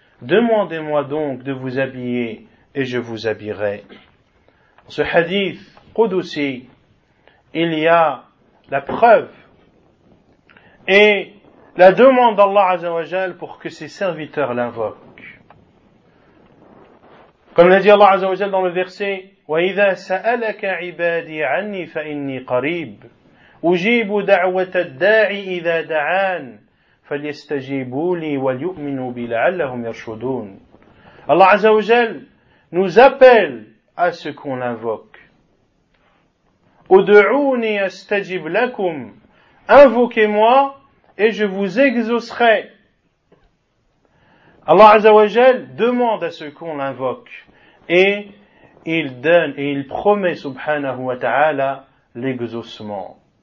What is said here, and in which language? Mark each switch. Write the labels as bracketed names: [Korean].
[French] Demandez-moi donc de vous habiller et je vous habillerai. Ce hadith Qudusi, il y a la preuve et la demande d'Allah Azza wa Jal pour que ses serviteurs l'invoquent. Comme l'a dit Allah Azza wa Jal dans le verset [Arabic] وَإِذَا سَأَلَكَ عِبَادِي عَنِّي فَإِنِّي قَرِيبٌ أجيب دعوة الداعي إذا دعان فليستجيبوا لي وليؤمنوا بي لعلهم يرشدون. [French] الله عز وجل nous appelle à ce qu'on invoque. [Arabic] ادعوني استجب لكم. [French] Invoquez-moi et je vous exaucerai. الله عز وجل demande à ce qu'on invoque et il donne et il promet سبحانه وتعالى l'exaucement.